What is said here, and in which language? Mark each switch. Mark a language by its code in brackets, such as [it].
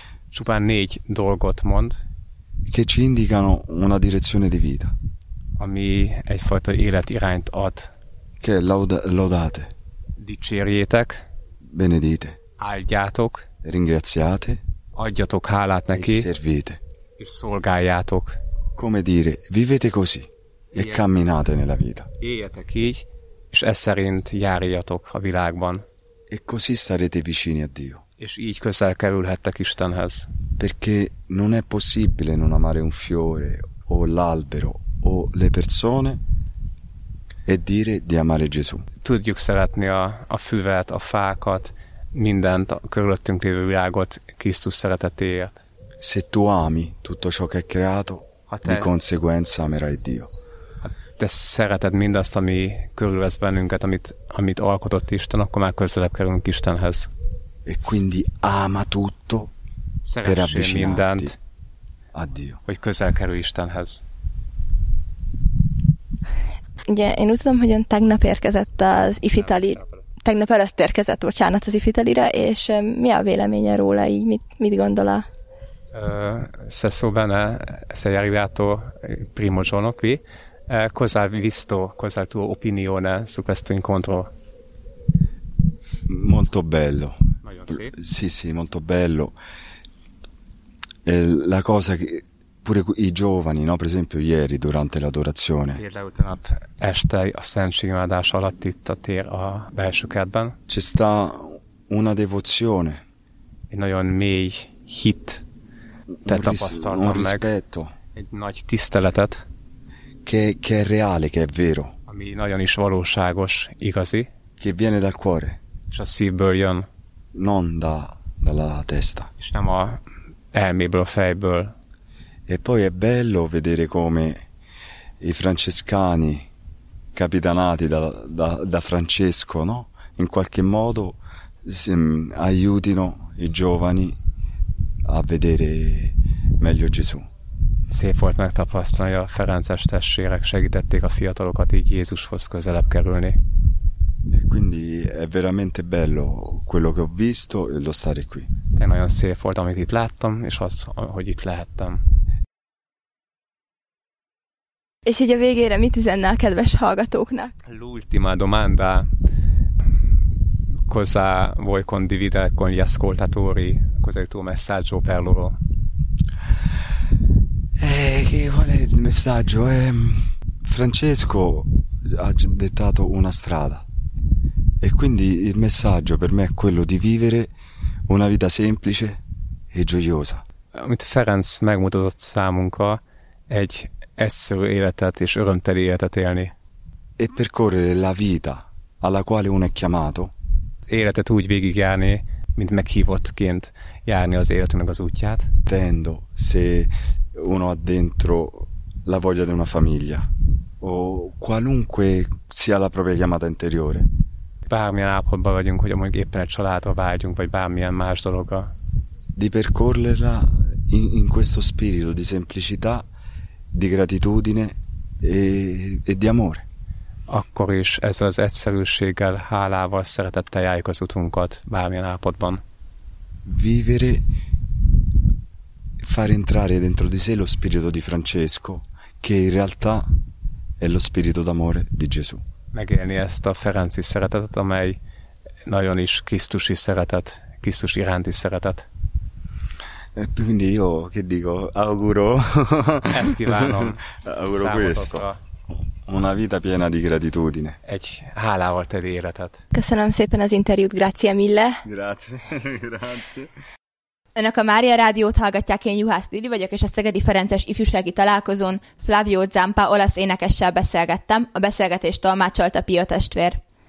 [hu] Csupán négy dolgot mond. [it] Che ci indicano una direzione di vita. [hu] Ami egyfajta életirányt ad. [it] Che lodate. [hu] Dicsérjétek. [it] Benedite. [hu] Áldjátok. [it] Ringraziate. [hu] Adjatok hálát neki. [it] E servite. [hu] És szolgáljátok. [it] Come dire, vivete così. E camminate nella vita. [hu] Éljetek így, és ez szerint járjatok a világban. [it] E così sarete vicini a Dio. [hu] És így közel kerülhettek Istenhez. [it] Perché non è possibile non amare un fiore, o l'albero, o le persone, e dire di amare Gesù. [hu] Tudjuk szeretni a füvet, a fákat, mindent, a körülöttünk lévő világot Krisztus szeretetéért. [it] Se tu ami tutto ciò che è creato, di conseguenza amerai Dio. [hu] Ha te szereted mindazt, ami körülvesz bennünket, amit alkotott Isten, akkor már közelebb kerülünk Istenhez. [it] E quindi ama tutto per avvicinarti a Dio. [hu] Hogy közel kerül Istenhez. Ugye én úgy tudom, hogy ön tegnap érkezett az Ifitali, tegnap előtt érkezett, bocsánat, az Ifitalira, és mi a véleménye róla így, mit gondol a? [it] Se so bene, sei arrivato primo giorno qui, cosa hai visto, cosa è la tua opinione su questo incontro? Molto bello. [hu] Nagyon szép. [it] Sì, molto bello. E la cosa che pure i giovani, no, per esempio ieri durante l'adorazione. [hu] Például tegnap este a szentség imádás alatt itt a tér a belső kertben. [it] C'è sta una devozione. [hu] Egy nagyon mély hit. Te tapasztaltam meg. [it] Rispetto. [hu] Egy nagy tiszteletet. [it] Che è reale, che è vero. [hu] Ami nagyon is valóságos, igazi. [it] Che viene dal cuore. [hu] És a szívből jön. [it] Non da, dalla testa. [hu] És nem a elméből, a fejből. [it] E poi è bello vedere come i francescani capitanati da Francesco, no? In qualche modo aiutino i giovani a vedere meglio Gesù. [hu] Szép volt megtapasztalni, hogy a ferences testvérek segítették a fiatalokat így Jézushoz közelebb kerülni. [it] E quindi è veramente bello quello che ho visto e lo stare qui. [hu] De nagyon szép volt, amit itt láttam, és az, hogy itt lehettem. És így a végére mit üzenne a kedves hallgatóknak? [it] L'ultima domanda. Cosa vuoi condividere con gli ascoltatori? Cos'è il tuo messaggio per loro? Che qual è il messaggio? Francesco ha dettato una strada. E quindi il messaggio per me è quello di vivere una vita semplice e gioiosa. [hu] Amit Ferenc megmutatott számunkra, egy egyszerű életet és örömteli életet élni. [it] E percorrere la vita alla quale uno è chiamato. [hu] Életet úgy végigjárni, mint meghívottként járni az életünknek az útját. [it] Tendo, se uno ha dentro la voglia di una famiglia o qualunque sia la propria chiamata interiore. [hu] Bármilyen állapotban vagyunk, hogy mondjuk éppen egy családra vágyunk, vagy bármilyen más dologra. [it] Di percorrerla in questo spirito di semplicità, di gratitudine e di amore. [hu] Akkor is ezzel az egyszerűséggel, hálával, szeretettel járjuk az utunkat bármilyen állapotban. [it] Vivere, far entrare dentro di sé lo spirito di Francesco, che in realtà è lo spirito d'amore di Gesù. [hu] Megélni ezt a ferenci szeretetet, amely nagyon is krisztusi szeretet, Krisztus iránti szeretet. [it] Quindi io che dico, auguro. [hu] Ezt kívánom. [it] Auguro questo. Una vita piena di gratitudine. [hu] Egy hálával teli életet. Köszönöm szépen az interjút, [it] grazie mille. Grazie, grazie. [hu] Önök a Mária Rádiót hallgatják, én Juhász Lili vagyok, és a Szegedi Ferences ifjúsági találkozón Flavio Zampa olasz énekessel beszélgettem, a beszélgetést tolmácsolt a Pio testvér.